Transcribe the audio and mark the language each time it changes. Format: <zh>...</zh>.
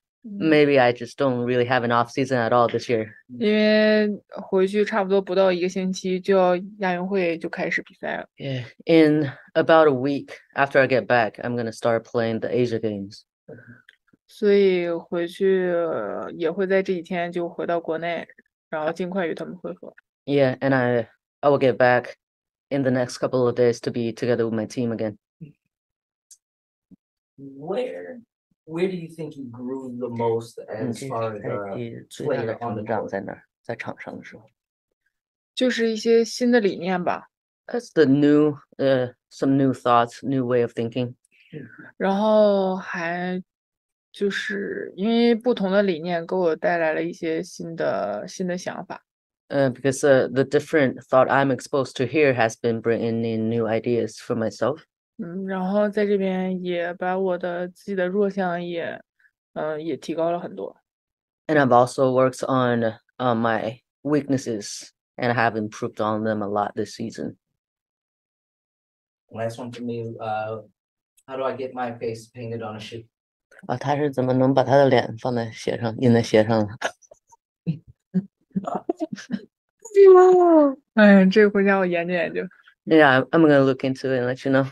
<en>Maybe I just don't really have an off season at all this year.</en> <zh>因为回去差不多不到一个星期就要亚运会就开始比赛了。</zh> <en>Yeah. In about a week after I get back, I'm going to start playing the Asia Games.</en> <zh>所以回去也会在这几天就回到国内，然后尽快与他们恢复。</zh> <en>Yeah, and I will get back in the next couple of days to be together with my team again. Where do you think you grew the most as far as player on the court?</en> <zh>在场上的时候，就是一些新的理念吧。</zh> <en>That's the new, some new thoughts, new way of thinking.</en> <zh>然后还。就是因为不同的理念给我带来了一些新的想法。</zh> <en>Because the different thought I'm exposed to here has been bringing in new ideas for myself.</en> <zh>然后在这边也把我的自己的弱项也提高了很多。</zh> <en>And I've also worked on my weaknesses and have improved on them a lot this season. Last one for me, how do I get my face painted on a ship?</en> <zh>啊，他是怎么能把他的脸放在鞋上，印在鞋上的？哎呀，这个回家我研究研究。</zh> <en>Yeah, I'm gonna look into it and let you know.</en>